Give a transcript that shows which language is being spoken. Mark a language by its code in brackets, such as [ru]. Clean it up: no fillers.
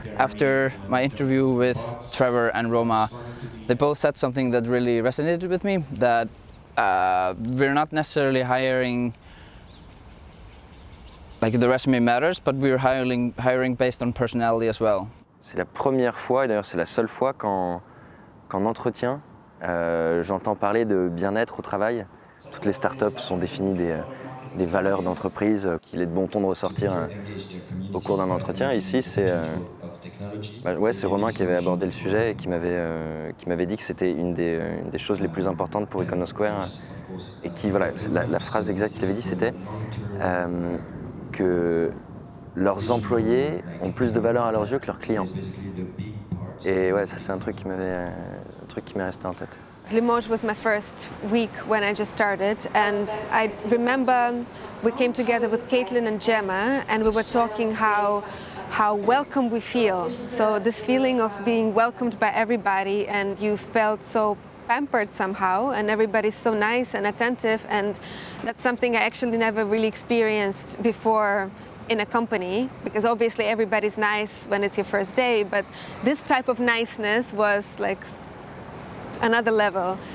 [en] After my interview with Trevor and Roma, they both said something that really resonated with me, that we're not necessarily hiring, like the resume matters, but we're hiring based on personality as well. [fr] C'est la première fois, et d'ailleurs c'est la seule fois qu'en entretien, j'entends parler de bien-être au travail. Toutes les startups sont définies des valeurs d'entreprise qu'il est de bon ton de ressortir au cours d'un entretien. Ici, c'est c'est Romain qui avait abordé le sujet et qui m'avait dit que c'était une des choses les plus importantes pour Icono Square. Et qui, voilà, la phrase exacte qu'il avait dit, c'était que leurs employés ont plus de valeur à leurs yeux que leurs clients. Et ouais, ça c'est un truc qui m'est resté en tête. [en] Limoges was my first week when I just started, and I remember we came together with Caitlin and Gemma, and we were talking how welcome we feel. So this feeling of being welcomed by everybody, and you felt so pampered somehow, and everybody's so nice and attentive, and that's something I actually never really experienced before in a company, because obviously everybody's nice when it's your first day, but this type of niceness was like another level.